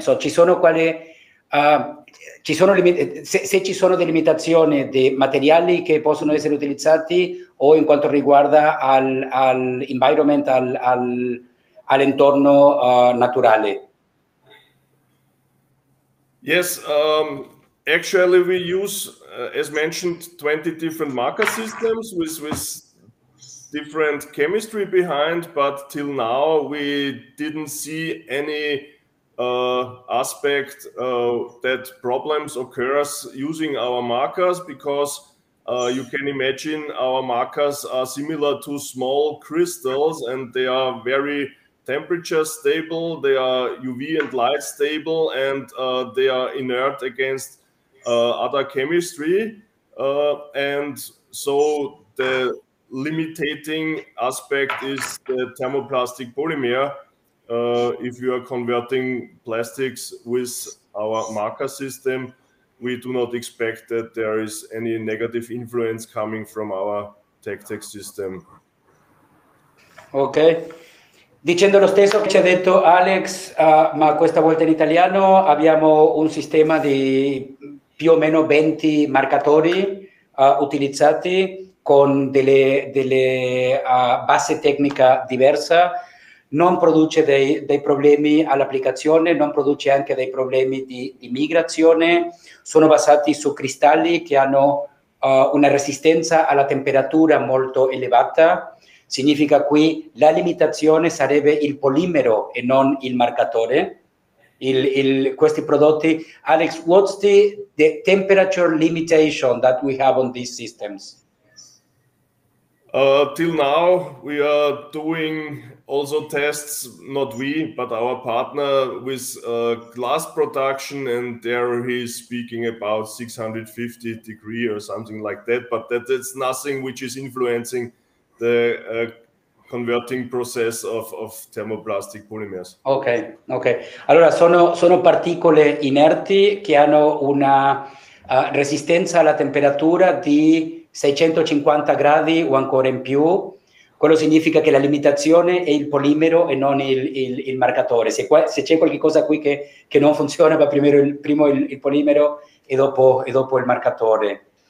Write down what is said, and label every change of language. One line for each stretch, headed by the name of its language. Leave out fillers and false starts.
Italian: So, ci sono delle limitazioni di materiali che possono essere utilizzati o in quanto riguarda al environment, all'entorno naturale?
English: Yes, actually we use, as mentioned, 20 different marker systems with different chemistry behind, but till now we didn't see any aspect that problems occurs using our markers, because you can imagine our markers are similar to small crystals and they are very temperature stable, they are UV and light stable, and they are inert against other chemistry, and so the limiting aspect is the thermoplastic polymer if you are converting plastics with our marker system. We do not expect that there is any negative influence coming from our TechTech system. Okay.
Italian: Dicendo lo stesso che ci ha detto Alex, ma questa volta in italiano, abbiamo un sistema di più o meno 20 marcatori utilizzati con delle base tecnica diversa. Non produce dei problemi all'applicazione, non produce anche dei problemi di migrazione. Sono basati su cristalli che hanno una resistenza alla temperatura molto elevata. Significa qui la limitazione sarebbe il polimero e non il marcatore. Questi prodotti.
English: Alex, what's the temperature limitation that we have on these systems? Till now, we are doing also tests, not we, but our partner, with glass production, and there he's speaking about 650 degree or something like that, but that's nothing which is influencing the converting process of thermoplastic polymers. Ok, ok.
Italian: Allora, sono particole inerti che hanno una resistenza alla temperatura di 650 gradi o ancora in più. Quello significa che la limitazione è il polimero e non il marcatore. Se c'è qualche cosa qui che non funziona, va prima il polimero e dopo il marcatore.